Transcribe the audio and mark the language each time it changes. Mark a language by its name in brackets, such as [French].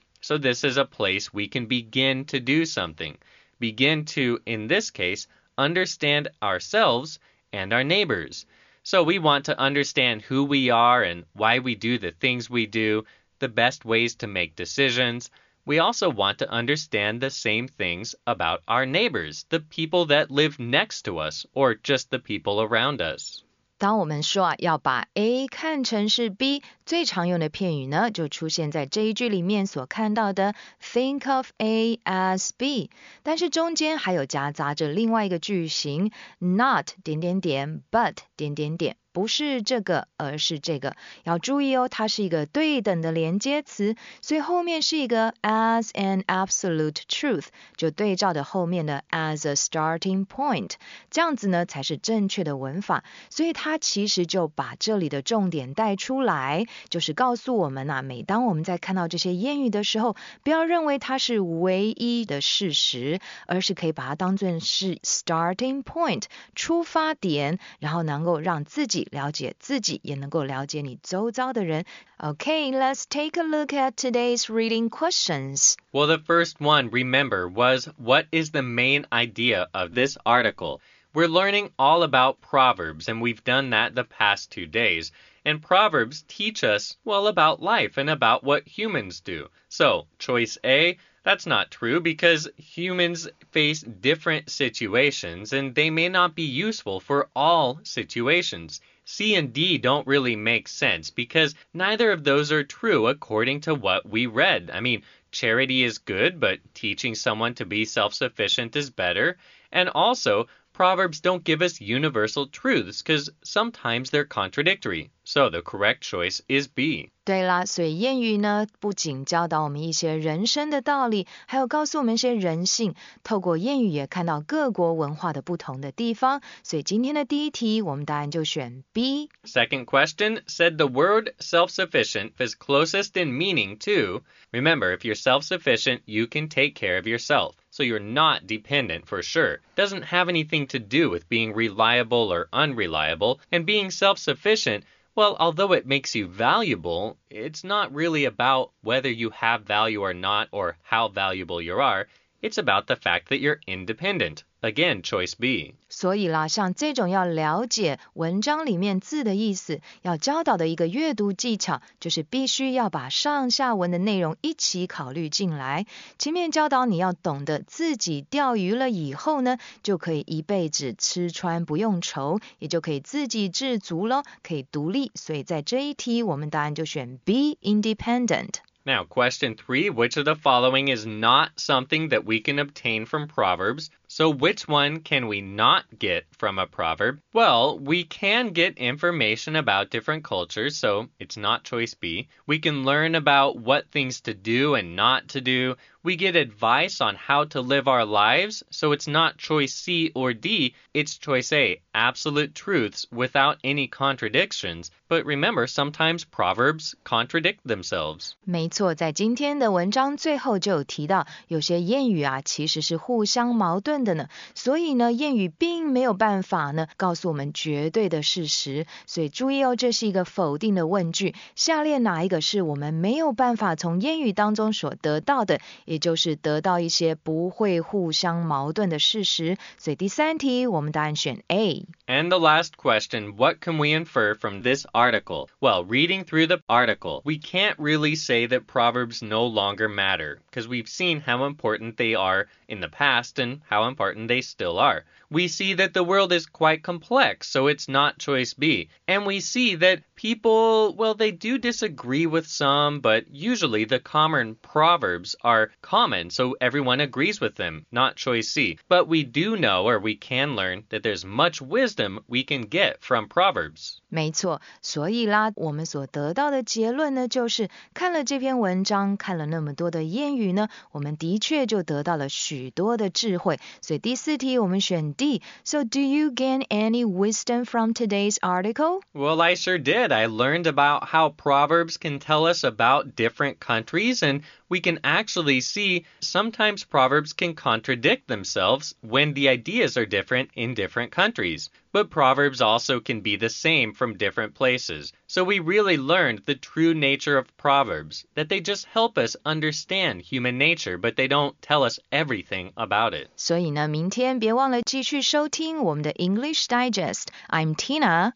[English] So this is a place we can begin to do something. Begin to, in this case, understand ourselves and our neighbors. So we want to understand who we are and why we do the things we do, the best ways to make decisions. We also want to understand the same things about our neighbors, the people that live next to us, or just the people around us. [Chinese] 当我们说要把 A 看成是 B, 最常用的片语呢就出现在这一句里面所看到的 [English] think of A as B, [Chinese] 但是中间还有夹杂着另外一个句型 not 点点点 but 点点点。不是这个而是这个要注意哦它是一个对等的连接词所以后面是一个 [English] as an absolute truth [Chinese] 就对照的后面的 [English] as a starting point [Chinese] 这样子呢才是正确的文法所以它其实就把这里的重点带出来就是告诉我们啊每当我们在看到这些谚语的时候不要认为它是唯一的事实而是可以把它当作是 starting point 出发点然后能够让自己了解自己，也能够了解你周遭的人。 [English] Okay, let's take a look at today's reading questions. Well, the first one, remember, was what is the main idea of this article? We're learning all about proverbs, and we've done that the past 2 days. And proverbs teach us, well, about life and about what humans do. So, choice A, that's not true because humans face different situations and they may not be useful for all situations. C and D don't really make sense because neither of those are true according to what we read. I mean, charity is good, but teaching someone to be self-sufficient is better. And also, proverbs don't give us universal truths because sometimes they're contradictory. So the correct choice is B. [Chinese] 对啦，所以谚语呢，不仅教导我们一些人生的道理，还有告诉我们一些人性。透过谚语也看到各国文化的不同的地方。所以今天的第一题，我们答案就选 B. [English] Second question said the word self-sufficient is closest in meaning to. Remember, if you're self-sufficient, you can take care of yourself. So you're not dependent for sure. Doesn't have anything to do with being reliable or unreliable. And being self-sufficient,Well, although it makes you valuable, it's not really about whether you have value or not or how valuable you are. It's about the fact that you're independent. Again, choice B. [Chinese] 所以啦，像这种要了解文章里面字的意思，要教导的一个阅读技巧，就是必须要把上下文的内容一起考虑进来。前面教导你要懂得自己钓鱼了以后呢，就可以一辈子吃穿不用愁，也就可以自给自足咯，可以独立。所以在这一题，我们答案就选 B, independent. [English] Now, question three, which of the following is not something that we can obtain from Proverbs? So which one can we not get from a proverb? Well, we can get information about different cultures, so it's not choice B. We can learn about what things to do and not to do. We get advice on how to live our lives, so it's not choice C or D, it's choice A, absolute truths without any contradictions. But remember, sometimes proverbs contradict themselves. [Chinese] 没错，在今天的文章最后就有提到，有些谚语啊，其实是互相矛盾的呢，所以呢，谚语并没有办法呢告诉我们绝对的事实，所以注意哦，这是一个否定的问句。下列哪一个是我们没有办法从谚语当中所得到的，也就是得到一些不会互相矛盾的事实？所以第三题，我们答案选 A。 [English] And the last question, what can we infer from this article? Well, reading through the article, we can't really say that proverbs no longer matter, because we've seen how important they are in the past and how important they still are. We see that the world is quite complex, so it's not choice B. And we see that people, well, they do disagree with some, but usually the common proverbs are common, so everyone agrees with them, not choice C. But we do know, or we can learn, that there's much wisdom we can get from proverbs. [Chinese] 没错，所以啦，我们所得到的结论呢，就是看了这篇文章，看了那么多的谚语呢，我们的确就得到了许多的智慧。所以第四题我们选 D. [English] So do you gain any wisdom from today's article? Well, I sure did. I learned about how proverbs can tell us about different countries, and we can actually see sometimes proverbs can contradict themselves when the ideas are different in different countries. But proverbs also can be the same from different places. So we really learned the true nature of proverbs, that they just help us understand human nature, but they don't tell us everything about it. [Chinese] 所以呢，明天别忘了继续收听我们的 English Digest. [English] I'm Tina.